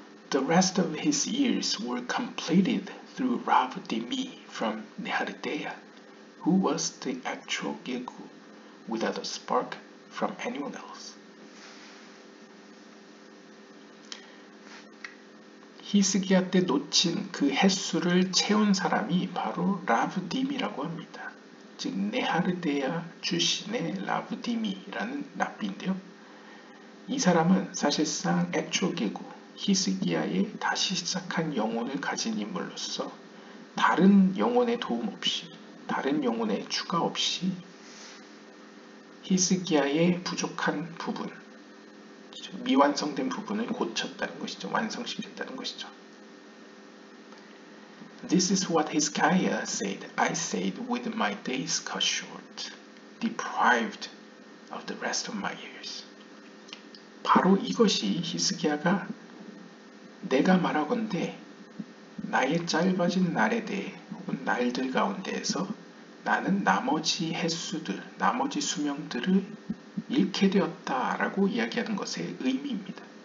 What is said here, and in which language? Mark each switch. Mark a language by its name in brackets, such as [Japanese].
[English] The rest of his years were completed through Rav Dimi from Nehardea, who was the actual Gilgu without a spark from anyone else. [Korean] 히스기야 때 놓친 그 횟수를 채운 사람이 바로 라브 디미라고 합니다. 즉 네하르데야 출신의 라브 디미라는 랍비인데요. 이 사람은 사실상 애초기고 히스기야의 다시 시작한 영혼을 가진 인물로서 다른 영혼의 도움 없이, 다른 영혼의 추가 없이 히스기야의 부족한 부분, 미완성된 부분을 고쳤다는 것이죠. 완성시켰다는 것이죠. [English] This is what Hezekiah said. I said, with my days cut short, deprived of the rest of my years. [Korean] 바로 이것이 히스기야가 내가 말하건대 나의 짧아진 날에 대해 혹은 날들 가운데에서 나는 나머지 횟수들, 나머지 수명들을 잃게 되었다 라고 이야기하는 것의 의미입니다.